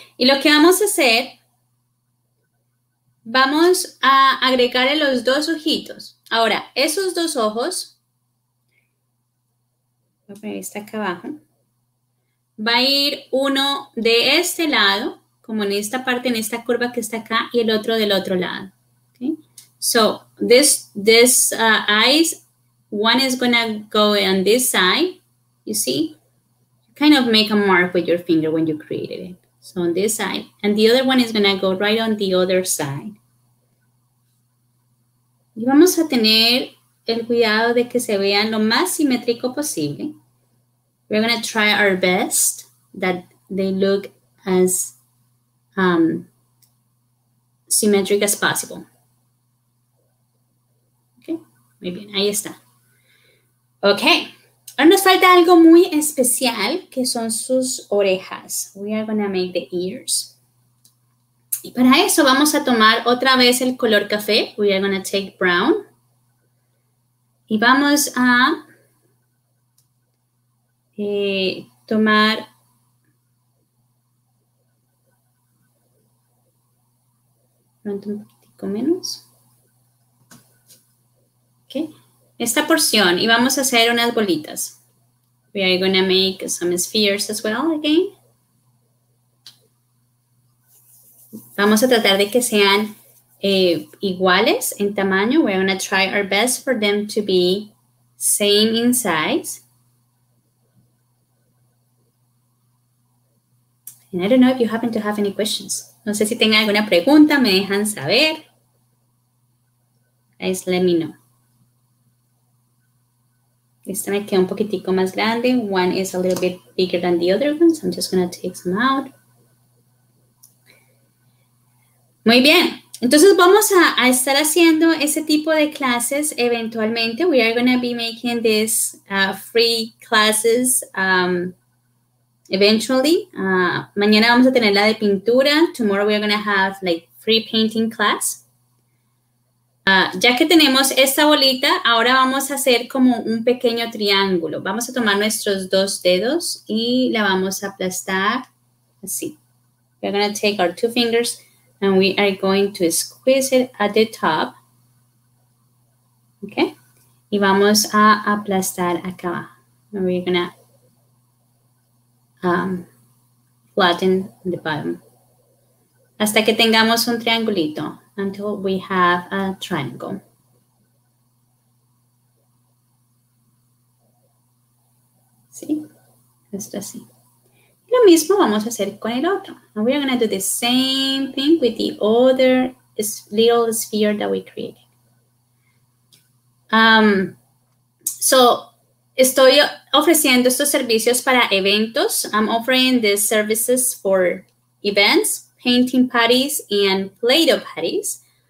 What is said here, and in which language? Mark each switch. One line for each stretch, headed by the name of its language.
Spanish: Y lo que vamos a hacer, vamos a agregarle los dos ojitos. Ahora, esos dos ojos, voy a poner este acá abajo, va a ir uno de este lado, como en esta parte, en esta curva que está acá, y el otro del otro lado. Okay?
English: So, this eyes, one is going to go on this side, you see? Kind of make a mark with your finger when you created it. So on this side. And the other one is going to go right on the other side.
Spanish: Y vamos a tener el cuidado de que se vean lo más simétrico posible.
English: We're going to try our best that they look as symmetric as possible.
Spanish: Okay, muy bien, ahí está. Okay. Ahora nos falta algo muy especial, que son sus orejas.
English: We are going to make the ears.
Spanish: Y para eso vamos a tomar otra vez el color café.
English: We are going to take brown.
Spanish: Y vamos a tomar pronto un poquito menos. Ok. Esta porción, y vamos a hacer unas bolitas.
English: We are going to make some spheres as well again.
Spanish: Vamos a tratar de que sean iguales en tamaño.
English: We're going to try our best for them to be same in size. And I don't know if you happen to have any questions.
Spanish: No sé si tengan alguna pregunta, me dejan saber.
English: Guys, let me know.
Spanish: Esta me queda un poquitico más grande.
English: One is a little bit bigger than the other one. So I'm just going to take some out.
Spanish: Muy bien. Entonces, vamos a estar haciendo ese tipo de clases eventualmente.
English: We are going to be making these free classes eventually.
Spanish: Mañana vamos a tener la de pintura.
English: Tomorrow we are going to have like free painting class.
Spanish: Ya que tenemos esta bolita, ahora vamos a hacer como un pequeño triángulo. Vamos a tomar nuestros dos dedos y la vamos a aplastar así.
English: We're going to take our two fingers and we are going to squeeze it at the top.
Spanish: Okay. Y vamos a aplastar acá abajo.
English: And we're going to flatten the bottom.
Spanish: Hasta que tengamos un triangulito.
English: Until we have a triangle.
Spanish: ¿Sí? Esto así. Y lo mismo vamos a hacer con el otro.
English: And we are going to do the same thing with the other little sphere that we created.
Spanish: So, estoy ofreciendo estos servicios para eventos.
English: I'm offering these services for events, painting parties, and Play-Doh parties.